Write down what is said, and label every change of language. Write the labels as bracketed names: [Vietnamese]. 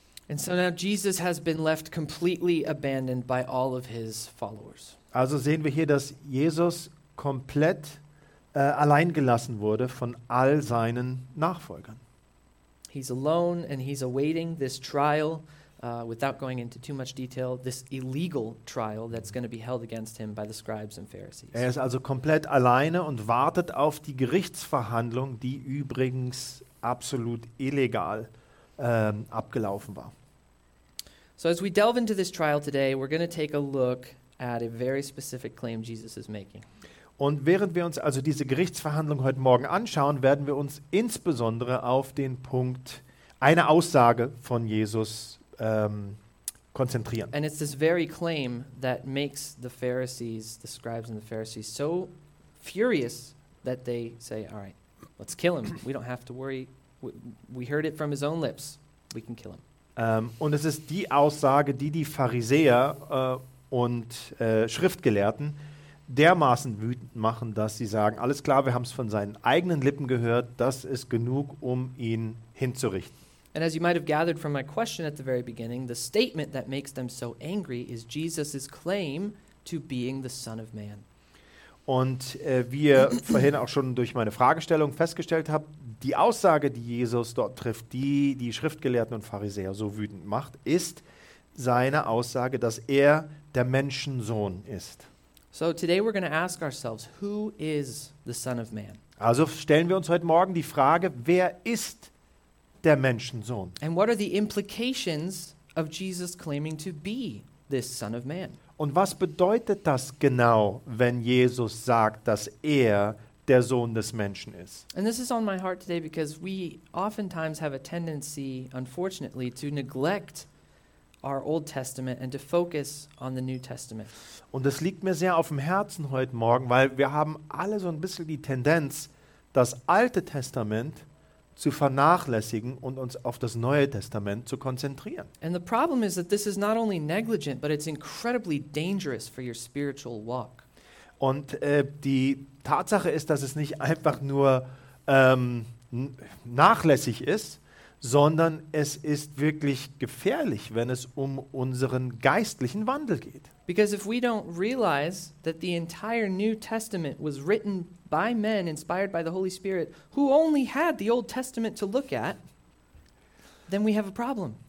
[English] And so now Jesus has been left completely abandoned by all of his followers. [German] Also sehen wir hier, dass Jesus komplett allein gelassen wurde von all seinen Nachfolgern. [English] He's alone and he's awaiting this trial, without going into too much detail, this illegal trial that's going to be held against him by the scribes and Pharisees. [German] Er ist also komplett alleine und wartet auf die Gerichtsverhandlung, die übrigens absolut illegal abgelaufen war. [English] So as we delve into this trial today, we're going to take a look at a very specific claim Jesus is making. [German] Und während wir uns also diese Gerichtsverhandlung heute Morgen anschauen, werden wir uns insbesondere auf den Punkt eine Aussage von Jesus konzentrieren. [English] And it's this very claim that makes the Pharisees, the scribes and the Pharisees, so furious that they say, all right, let's kill him. We don't have to worry. We heard it from his own lips. We can kill him. [German] Und es ist die Aussage, die die Pharisäer und Schriftgelehrten dermaßen wütend machen, dass sie sagen, alles klar, wir haben es von seinen eigenen Lippen gehört, das ist genug, um ihn hinzurichten. [English] And as you might have gathered from my question at the very beginning, the statement that makes them so angry is Jesus' claim to being the Son of Man. [German] Und wie ihr vorhin auch schon durch meine Fragestellung festgestellt habt, die Aussage, die Jesus dort trifft, die Schriftgelehrten und Pharisäer so wütend macht, ist seine Aussage, dass er der Menschensohn ist. [English] So today we're going to ask ourselves, who is the Son of Man? [German] Also stellen wir uns heute Morgen die Frage, wer ist der Menschensohn? [English] And what are the implications of Jesus claiming to be this Son of Man? [German] Und was bedeutet das genau, wenn Jesus sagt, dass er der Sohn des Menschen ist? [English] And this is on my heart today because we oftentimes have a tendency, unfortunately, to neglect our Old Testament and to focus on the New Testament. [German] Und das liegt mir sehr auf dem Herzen heute Morgen, weil wir haben alle so ein bisschen die Tendenz, das Alte Testament zu vernachlässigen und uns auf das Neue Testament zu konzentrieren. [English] And the problem is that this is not only negligent, but it's incredibly dangerous for your spiritual walk. [German] Und die Tatsache ist, dass es nicht einfach nur nachlässig ist, sondern es ist wirklich gefährlich, wenn es um unseren geistlichen Wandel geht. [English] Because if we don't realize that the entire New Testament was written by men inspired by the Holy Spirit, who only had the Old Testament to look at, then we have a problem.